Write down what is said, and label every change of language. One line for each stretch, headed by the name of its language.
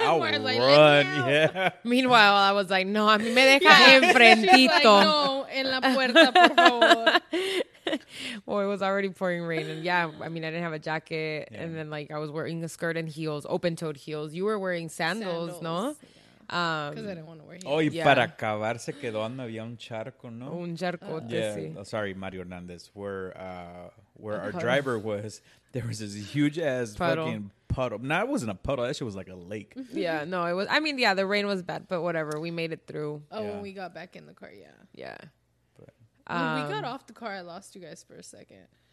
English: I will run. Like, yeah. Meanwhile, I was like,
Spanish: no, a mí me deja enfrentito. Like, no, en la puerta, por favor.
English: Well, it was already pouring rain, and I mean, I didn't have a jacket, and then like I was wearing a skirt and heels, open-toed heels. You were wearing sandals, no? Because I didn't want to wear heels.
Spanish: Oh, y para acabar se quedó donde había un charco, ¿no? Un charcote, sí.
English: Oh, sorry, Mario Hernandez, where our driver was, there was this huge ass fucking puddle. No, it wasn't a puddle. That shit was like a lake. Yeah, no, it was. I mean, the rain was bad, but whatever. We made it through. Oh, when we got back in the car, yeah. When we got off the car, I lost you guys for a second.